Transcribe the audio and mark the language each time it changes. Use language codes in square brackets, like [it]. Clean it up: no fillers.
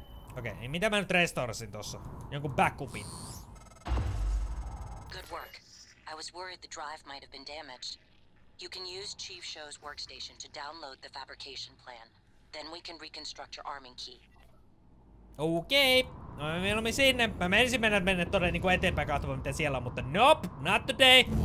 [fi] Okei, okay, niin mitä mä nyt restorasin tossa? Jonkun backupin. [en] Good work. I was worried the drive might have been damaged. You can use Chief Show's workstation to download the fabrication plan. Then we can reconstruct your arming key. [fi] Okei, okay. No me mieluummin sinne. Mä menisin mennä todella niinku eteenpäin katsomaan mitä siellä on, mutta [en] nope, not today.